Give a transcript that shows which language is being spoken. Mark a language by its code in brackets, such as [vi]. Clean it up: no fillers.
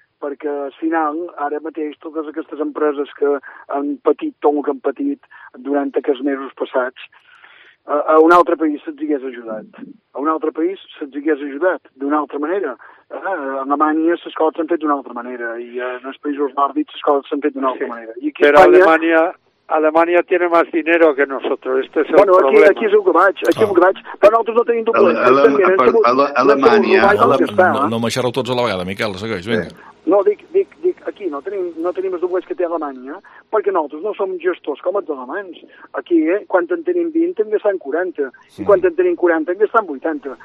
[ca] Perquè al final, ara mateix, totes aquestes empreses que han patit tot el que han patit durant aquests mesos passats, a un altre país se'ls hagués ajudat. A un altre país se'ls hagués ajudat d'una altra manera. A Alemanya les coses s'han fet d'una altra manera i en els països nòrdics les coses s'han fet d'una altra manera. I aquí, però Espanya... [es] Alemanya tiene más dinero que nosotros. Este es el bueno, aquí, problema. [ca] Aquí és el que vaig. Aquí és el que vaig. Però nosaltres no tenim tot problema. No marxar-ho tots a la vegada, Miquel, segueix. Vinga. No, dic, aquí no tenim els doblers que té Alemanya, perquè nosaltres no som gestors com els alemanys. Aquí, quan en tenim 20, en gastem 40. Sí. I quan en tenim 40, en gastem 80.